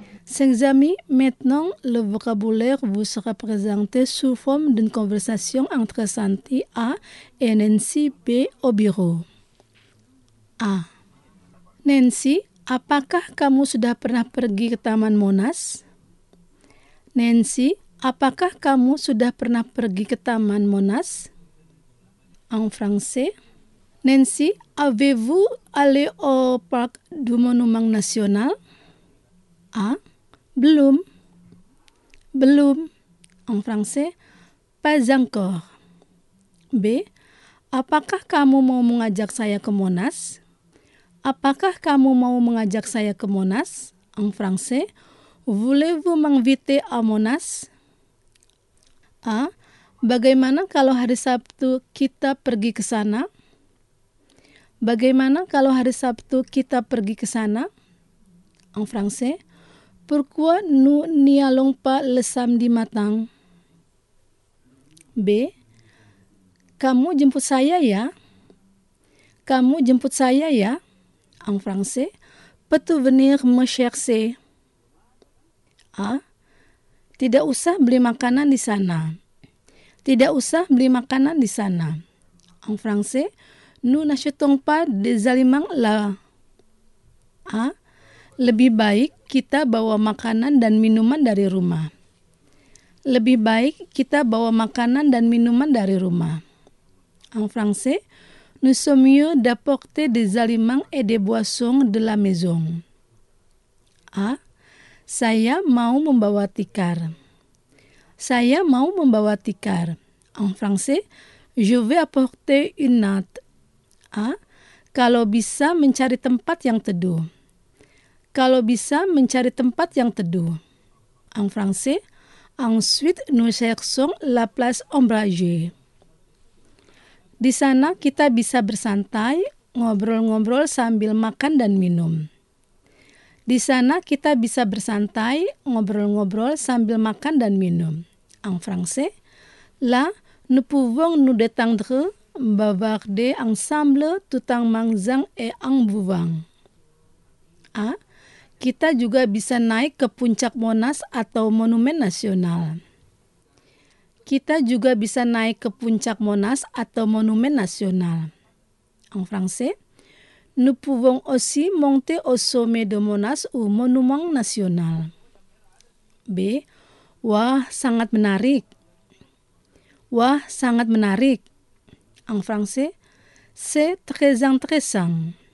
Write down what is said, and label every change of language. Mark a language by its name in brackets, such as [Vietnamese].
[French] Chers amis, maintenant, le vocabulaire vous sera présenté sous forme d'une conversation entre Santi A et Nancy B au bureau. A. [Indonesian] Nancy, apakah kamu sudah pernah pergi ke Taman Monas? Nancy, apakah kamu sudah pernah pergi ke Taman Monas? [French] En français. Nancy, avez-vous allé au Parc du Monument National? A. [Indonesian] Belum. Belum. [French] En français. Pas encore. B. [Indonesian] Apakah kamu mau mengajak saya ke Monas? Apakah kamu mau mengajak saya ke Monas? [French] En français. Voulez-vous m'inviter à Monas? [Indonesian] A. Bagaimana kalau hari Sabtu kita pergi ke sana? Bagaimana kalau hari Sabtu kita pergi ke sana? [French] En français. Pourquoi nous n'y allons pas le samedi matin? B. [Indonesian] Kamu jemput saya ya? Kamu jemput saya ya? [French] En français, peux-tu venir me chercher? A. [Indonesian] Tidak usah beli makanan di sana. Tidak usah beli makanan di sana. [French] En français, nous n'achetons pas des aliments là. A. [Indonesian] Lebih baik kita bawa makanan dan minuman dari rumah. Lebih baik kita bawa makanan dan minuman dari rumah. [French] En français, nous sommes mieux d'apporter des aliments et des boissons de la maison. A. [Indonesian] Saya mau membawa tikar. Saya mau membawa tikar. [French] En français, je vais apporter une natte. A. [Indonesian] Kalau bisa mencari tempat yang teduh. Kalau bisa mencari tempat yang teduh. [French] En français, ensuite nous cherchons la place ombragée. [Indonesian] Di sana kita bisa bersantai, ngobrol-ngobrol sambil makan dan minum. Di sana kita bisa bersantai, ngobrol-ngobrol sambil makan dan minum. [French] En français, là nous pouvons nous détendre, bavarder ensemble tout en mangeant et en buvant. A. [Indonesian] Kita juga bisa naik ke puncak Monas atau Monumen Nasional. Kita juga bisa naik ke puncak Monas atau Monumen Nasional. [French] En français, nous pouvons aussi monter au sommet de Monas ou Monument National. B. [Indonesian] Wah, sangat menarik. Wah, sangat menarik. [French] En français, c'est très intéressant.